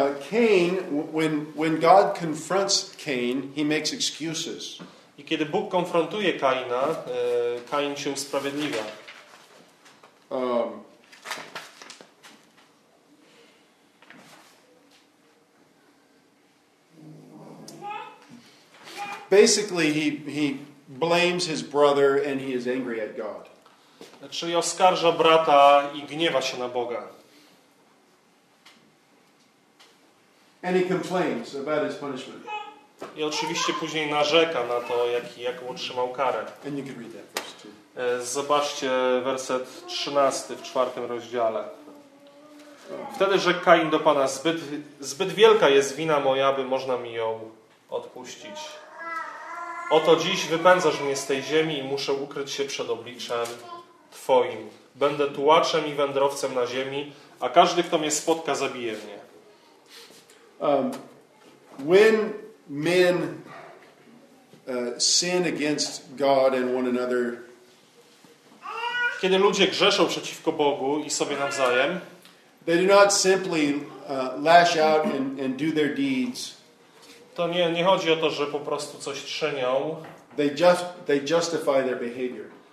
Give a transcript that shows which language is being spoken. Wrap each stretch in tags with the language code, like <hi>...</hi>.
<en>Cain, when God confronts Cain, he makes excuses.</en> <pl>I kiedy Bóg konfrontuje Kaina, Kain się usprawiedliwia.</pl> <en>Basically, he blames his brother and he is angry at God.</en> <pl>Czyli oskarża brata i gniewa się na Boga.</pl> <en>And he complains about his punishment.</en> <pl>I oczywiście później narzeka na to, jaką otrzymał karę.</pl> <en>And you can read that first too.</en> <pl>Zobaczcie werset 13 w 4 rozdziale. Wtedy rzekł Kain do Pana, zbyt wielka jest wina moja, by można mi ją odpuścić. Oto dziś wypędzasz mnie z tej ziemi i muszę ukryć się przed obliczem Twoim. Będę tułaczem i wędrowcem na ziemi, a każdy, kto mnie spotka, zabije mnie.</pl> <en>When men sin against God and one another,</en> <pl>kiedy ludzie grzeszą przeciwko Bogu i sobie nawzajem,</pl> <en>they do not simply lash out and do their deeds.</en> <pl>To nie chodzi o to, że po prostu coś czynią.</pl> <en>They justify their behavior.</en>